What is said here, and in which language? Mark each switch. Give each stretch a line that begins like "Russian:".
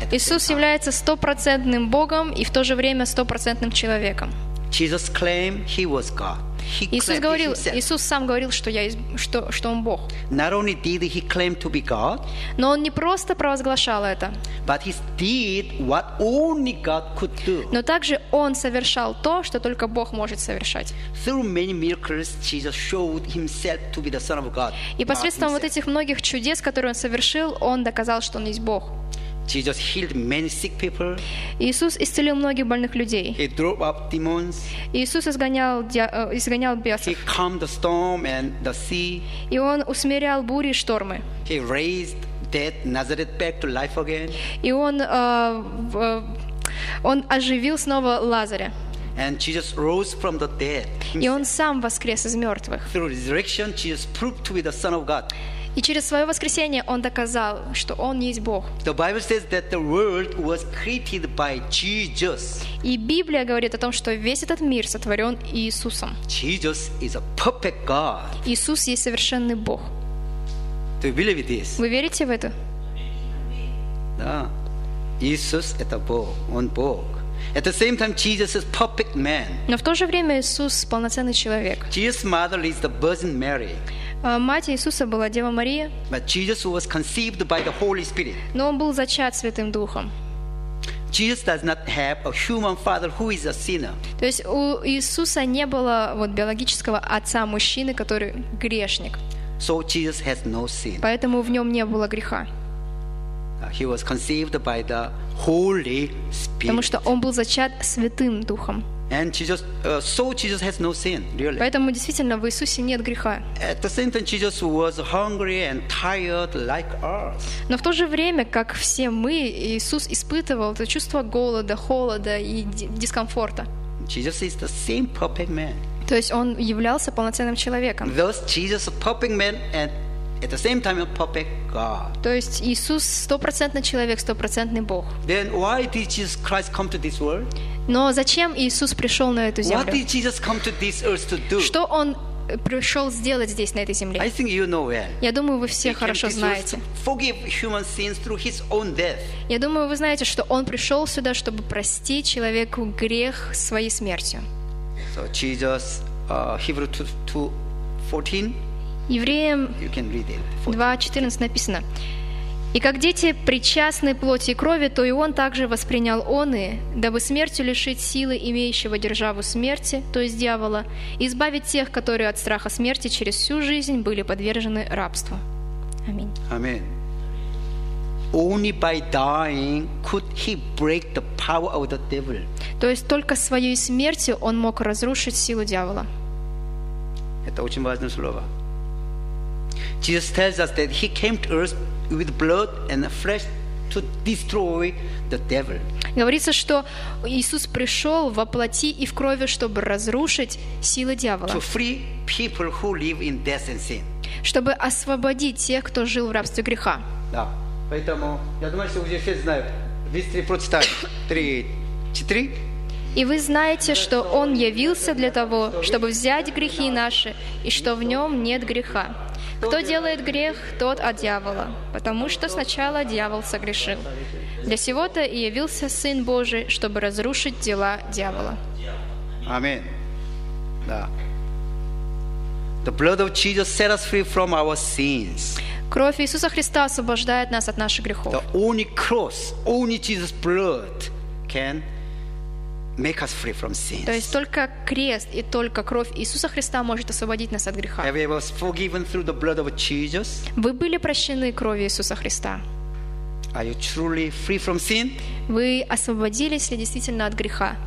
Russian: Иисус является 100% Богом и в то же время 100% человеком.
English: Jesus claimed he was God.
Russian: Иисус сам говорил, что он Бог.
English: Not only did he claim to be God,
Russian: но он не просто провозглашал это.
English: But he did what only God could do.
Russian: Но также он совершал то, что только Бог может совершать.
English: Through many miracles, Jesus showed himself to be the Son of God.
Russian: И посредством вот этих многих чудес, которые он совершил, он доказал, что он есть Бог.
English: Jesus healed many sick people.
Russian: Иисус исцелил многих больных людей.
English: He drove out demons.
Russian: Иисус изгонял бесов.
English: He calmed the storm and the sea.
Russian: И он усмирял бури и штормы.
English: He raised dead Nazareth back to life again.
Russian: И он оживил снова Лазаря.
English: And Jesus rose from the dead.
Russian: И он сам воскрес из мертвых.
English: Through resurrection, Jesus proved to be the Son of God.
Russian: И через свое воскресение он доказал, что он есть Бог.
English: The Bible says that the world was created by Jesus.
Russian: И Библия говорит о том, что весь этот мир сотворен Иисусом.
English: Jesus is a perfect God.
Russian: Иисус есть совершенный Бог.
English: Do you believe this?
Russian: Вы верите в это? Да. Иисус – это Бог. Он Бог.
English: At the same time, Jesus is perfect man.
Russian: Но в то же время Иисус полноценный человек.
English: Jesus' mother is the Virgin Mary.
Russian: Мать Иисуса была Дева Мария.
English: But Jesus was conceived by the Holy Spirit.
Russian: Но он был зачат Святым Духом.
English: Jesus does not have a human father who is a sinner.
Russian: То есть у Иисуса не было вот биологического отца мужчины, который грешник.
English: So Jesus has no sin.
Russian: Поэтому в нем не было греха.
English: He was conceived by the Holy Spirit.
Russian: Потому что он был зачат Святым Духом.
English: And Jesus, so Jesus has no sin, really.
Russian: Поэтому действительно в Иисусе нет греха.
English: At the same time, Jesus was hungry and tired like us.
Russian: Но в то же время, как все мы, Иисус испытывал это чувство голода, холода и дискомфорта.
English: Jesus is the same perfect man.
Russian: То есть он являлся полноценным человеком.
English: Thus, Jesus is a perfect man and at the same time, a perfect God.
Russian: То есть Иисус 100% человек, 100% Бог.
English: Then why did Jesus Christ come to this world?
Russian: Но зачем Иисус пришел на эту землю?
English: What did Jesus come to this earth to do?
Russian: Что он пришел сделать здесь на этой земле?
English: I think you know well.
Russian: Я думаю, вы все хорошо знаете.
English: He came to this earth to forgive human sins through his own death.
Russian: Я думаю, вы знаете, что он пришел сюда, чтобы простить человеку грех своей смертью.
English: So Jesus, Hebrews 2:14.
Russian: Евреям 2:14 написано: «И как дети причастны плоти и крови, то и он также воспринял оные, дабы смертью лишить силы имеющего державу смерти, то есть дьявола, и избавить тех, которые от страха смерти через всю жизнь были подвержены рабству». Аминь. Аминь.
English: Only by dying could he break the power of the devil.
Russian: То есть только своей смертью он мог разрушить силу дьявола. Это очень важное слово.
English: Jesus tells us that he came to earth with blood and flesh to destroy the devil.
Russian: Говорится, что Иисус пришел во плоти и в крови, чтобы разрушить силы дьявола.
English: To free people who live in death and sin.
Russian: Чтобы освободить тех, кто жил в рабстве греха. Да, поэтому я думаю, что уже все знают. Быстрее прочитаем. 3:4. И вы знаете, что он явился для того, чтобы взять грехи наши, и что в нем нет греха. Кто делает грех, тот от дьявола, потому что сначала дьявол согрешил. Для сего-то и явился Сын Божий, чтобы разрушить дела дьявола. Аминь. Да.
English: The blood of Jesus set us free from our sins.
Russian: Кровь Иисуса Христа освобождает нас от наших грехов.
English: The only cross, only Jesus' blood can make us free from sins.
Russian: То есть только крест и только кровь Иисуса Христа может освободить нас от греха.
English: Have you been forgiven through the blood of Jesus?
Russian: Вы были прощены кровью Иисуса Христа?
English: Are you truly free from sin?
Russian: Вы освободились ли действительно от греха?